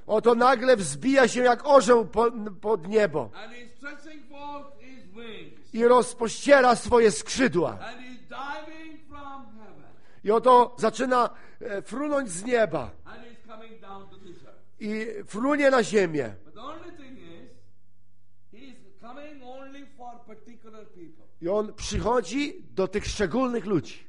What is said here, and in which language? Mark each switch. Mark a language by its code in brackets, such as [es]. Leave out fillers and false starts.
[pl] Oto nagle wzbija się jak orzeł pod niebo. [en] And he's stretching forth his wings. [pl] I rozpościera swoje skrzydła. [en] And he's diving from heaven. [pl] I oto zaczyna frunąć z nieba. [en] And he's coming down to the earth. [pl] I frunie na ziemię. [en] But the only thing is, he's coming only for particular people. [pl] I on przychodzi do tych szczególnych ludzi.